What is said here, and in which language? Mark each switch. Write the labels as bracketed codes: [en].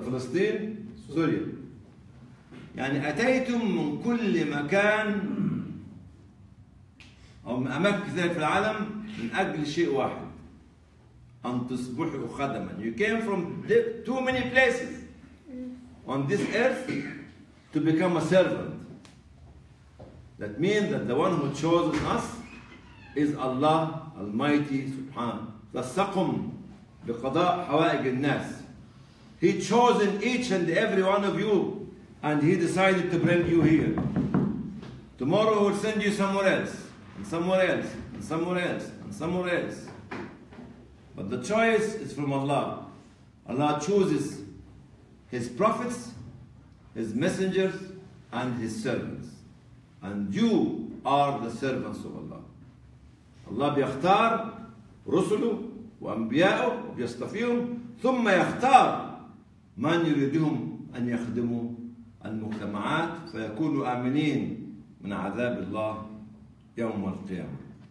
[ar] فلسطين سوريا يعني اتيتم من كل مكان او من اماكن كثيره في العالم من اجل شيء واحد ان تصبحوا خدما. [en] You came from too many places on this earth to become a servant. That means that the one who chose us is Allah Almighty Subhanahu. [ar] لصقم بقضاء حوائج الناس. [en] He chosen each and every one of you and he decided to bring you here. Tomorrow he will send you somewhere else and somewhere else and somewhere else and somewhere else. But the choice is from Allah. Allah chooses his prophets, his messengers and his servants. And you are the servants of Allah. [ar] الله بيختار رسله وأنبياءه وبيصطفيهم ثم يختار من يريدهم أن يخدموا المجتمعات فيكونوا آمنين من عذاب الله يوم القيامة.